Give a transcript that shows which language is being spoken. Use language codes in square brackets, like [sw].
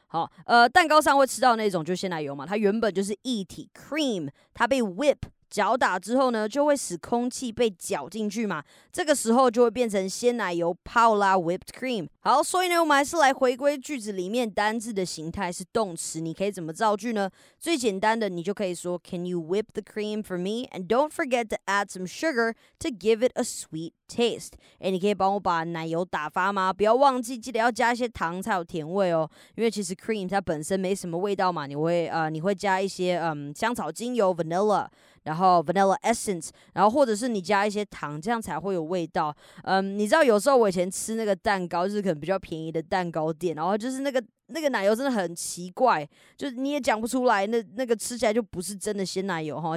[zh] 好，蛋糕上会吃到那种就是鲜奶油嘛，它原本就是液体 cream， 它被 whip。搅打之后呢，就会使空气被搅进去嘛，这个时候就会变成鲜奶油泡啦 whipped cream。好，所以呢，我们还是来回归句子里面单字的形态是动词，你可以怎么造句呢？最简单的你就可以说 [en] Can you whip the cream for me? And don't forget to add some sugar to give it a sweet taste. [zh] 诶，你可以帮我把奶油打发吗？不要忘记，记得要加一些糖才有甜味哦，因为其实 cream 它本身没什么味道嘛，你会加一些香草精油 vanilla，然后 vanilla essence， 然后或者是你加一些糖，这样才会有味道。你知道有时候我以前吃那个蛋糕，就是可能比较便宜的蛋糕店，然后就是那个奶油真的很奇怪，就是你也讲不出来，那个吃起来就不是真的鲜奶油哈。